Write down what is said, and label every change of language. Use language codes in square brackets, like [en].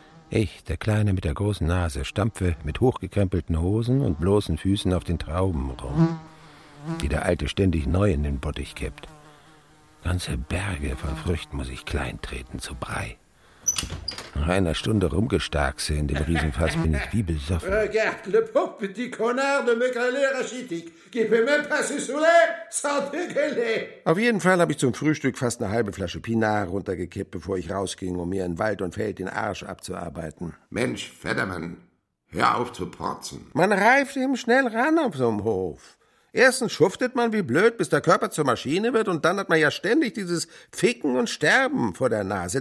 [de] Ich, der Kleine mit der großen Nase, stampfe mit hochgekrempelten Hosen und bloßen Füßen auf den Trauben rum, die der Alte ständig neu in den Bottich kippt. Ganze Berge von Früchten muss ich kleintreten, zu Brei. Nach einer Stunde rumgestarkse in dem Riesenfass bin ich wie besoffen. [fr] Regarde le pauvre petit connard de maigrelet rachitique. Qui peut même passer sous l'air sans dégueuler. [de] Auf jeden Fall habe ich zum Frühstück fast eine halbe Flasche Pinard runtergekippt, bevor ich rausging, um mir in Wald und Feld den Arsch abzuarbeiten. Mensch, Federmann, hör auf zu porzen. Man reift eben schnell ran auf so einem Hof. Erstens schuftet man wie blöd, bis der Körper zur Maschine wird und dann hat man ja ständig dieses Ficken und Sterben vor der Nase.